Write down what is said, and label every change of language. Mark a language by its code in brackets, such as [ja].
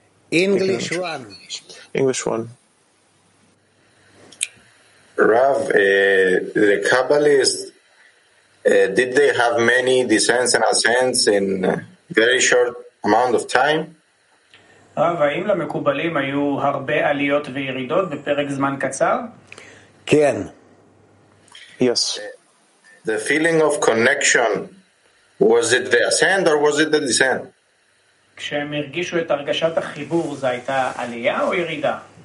[en] English one. Rav, the Kabbalists, did they have many descents and ascents in a very short amount of time? [he] Rav, האם למקובלים היו הרבה עליות וירידות בפרק זמן קצר? כן. [en] Yes. The feeling of connection, was it the ascent or was it the descent? [he] כשהם הרגישו את הרגשת החיבור, זה הייתה עלייה או ירידה?